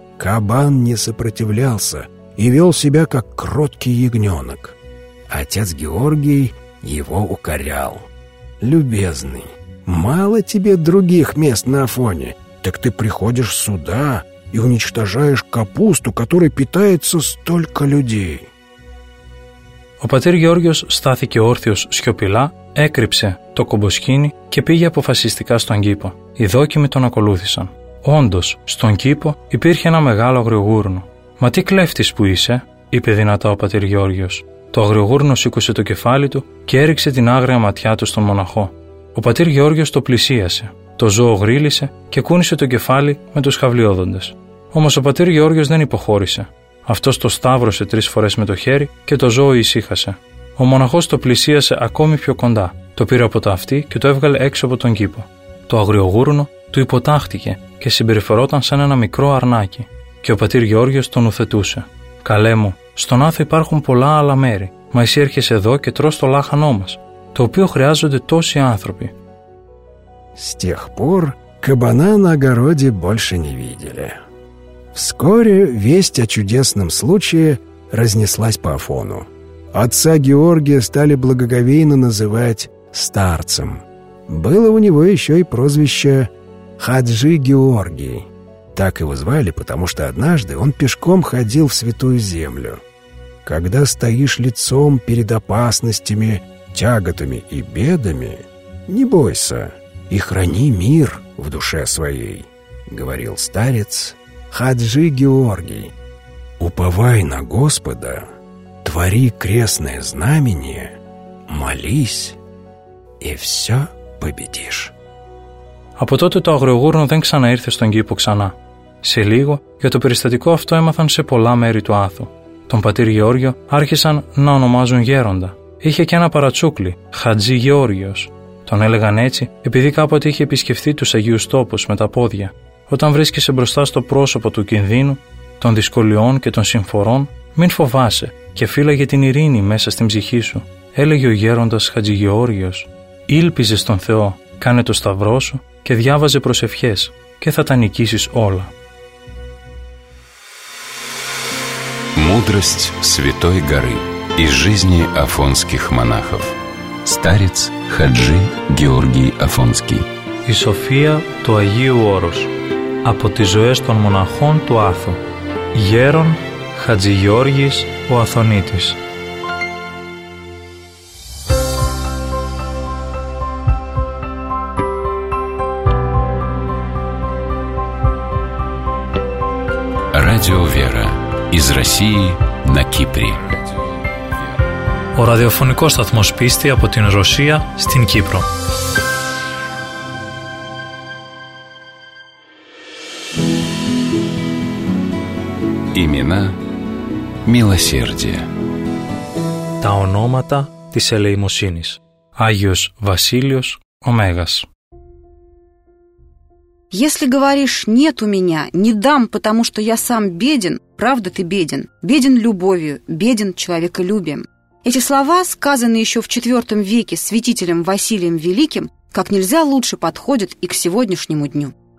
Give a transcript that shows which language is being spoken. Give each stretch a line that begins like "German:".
Russian: Кабан не сопротивлялся и вел себя, как кроткий ягненок. Отец Георгий его укорял. «Любезный, мало тебе других мест на Афоне, так ты приходишь сюда, и уничтожаешь капусту, которой питается столько людей».
Greek: Ο πατήρ Γεώργιος στάθηκε όρθιος σιωπηλά, έκρυψε το κομποσκήνι και πήγε αποφασιστικά στον κήπο. Οι δόκιμοι τον ακολούθησαν. Όντως, στον κήπο υπήρχε ένα μεγάλο αγριογούρνο. «Μα τι κλέφτης που είσαι», είπε δυνατά ο πατήρ Γεώργιος. Το αγριογούρνο σήκωσε το κεφάλι του και έριξε την άγρια ματιά του στον μοναχό. Ο πατήρ Γεώργιος το πλησίασε. Το ζώο γρύλισε και κούνησε το κεφάλι με τους χαυλιόδοντες. Όμως ο πατήρ Γεώργιος δεν υποχώρησε. Αυτός το σταύρωσε τρεις φορές με το χέρι και το ζώο ησύχασε. Ο μοναχός το πλησίασε ακόμη πιο κοντά, το πήρε από το αυτί και το έβγαλε έξω από τον κήπο. Το αγριογούρνο του υποτάχτηκε και συμπεριφερόταν σαν ένα μικρό αρνάκι. Και ο πατήρ Γεώργιος τον ουθετούσε. «Καλέ μου, στον Άθο υπάρχουν πολλά άλλα μέρη, μα εσύ έρχεσαι εδώ και τρως το λάχανό μας, το οποίο χρειάζονται τόσοι άνθρωποι».
Russian: С тех пор кабана на огороде больше не видели. Вскоре весть о чудесном случае разнеслась по Афону. Отца Георгия стали благоговейно называть старцем. Было у него еще и прозвище Хаджи Георгий. Так его звали, потому что однажды он пешком ходил в Святую Землю. Когда стоишь лицом перед опасностями, тяготами и бедами, не бойся и храни мир в душе своей, говорил старец Хаджи Георгий. Уповай на Господа, твори крестное знамение, молись, и все победишь.
Greek: Από τότε το αγριογούρνο δεν ξαναήρθε στον κήπο ξανά. Σε λίγο, για το περιστατικό αυτό έμαθαν σε πολλά μέρη του Άθου. Τον πατήρ Γεώργιο άρχισαν να ονομάζουν γέροντα. Είχε και ένα παρατσούκλι, Χατζή Γεώργιος. Τον έλεγαν έτσι επειδή κάποτε είχε επισκεφθεί τους Αγίους Τόπους με τα πόδια. Όταν βρίσκεσαι μπροστά στο πρόσωπο του κινδύνου, των δυσκολιών και των συμφορών, μην φοβάσαι και φύλαγε την ειρήνη μέσα στην ψυχή σου, έλεγε ο γέροντας Χατζή Γεώργιος. Ήλπιζε στον Θεό, κάνε το σταυρό σου και διάβαζε προσευχές και θα τα νικήσεις όλα.
Russian: Мудрость Святой Горы из жизни афонских монахов. Старец Хаджи Георгий Афонский.
Greek: И София του Αγίου Όρος. Από τις ζωές των μοναχών του Άθου. Γέρον Χατζη Γεώργης ο Αθωνίτης.
Russian: Радио Вера. Из России на Кипре.
Greek: Ο ραδιοφωνικός σταθμός πίστη από την Ρωσία στην Κύπρο.
Russian: Имена милосердия.
Greek: Τα ονόματα της ελεημοσύνης. Άγιος Βασίλειος ο Μέγας.
Russian: Если говоришь «нет у меня», «не дам, потому что я сам беден», правда ты беден, беден любовью, беден человеколюбием. Эти слова, сказанные еще в IV веке святителем Василием Великим, как нельзя лучше подходят и к сегодняшнему дню.